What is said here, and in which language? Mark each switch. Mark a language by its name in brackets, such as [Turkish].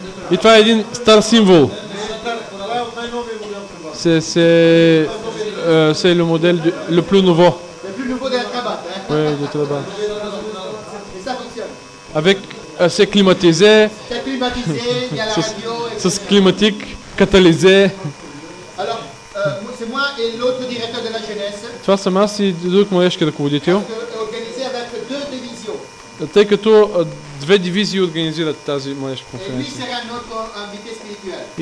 [Bulgarian] И това е един стар символ. [French] C'est le modèle le plus nouveau. Le plus nouveau de Trabant. Oui, de Trabant. Et ça fonctionne. Avec, c'est climatisé. C'est climatisé, il y a la radio. C'est climatique, catalysé. Alors, c'est moi et l'autre directeur de la jeunesse. [Bulgarian] Това съм аз и друг младежки ръководител. [French] Organisé avec deux divisions. [Bulgarian] Тъй като две дивизии организират тази младежка конференция. [French] Et lui sera notre invité spirituel.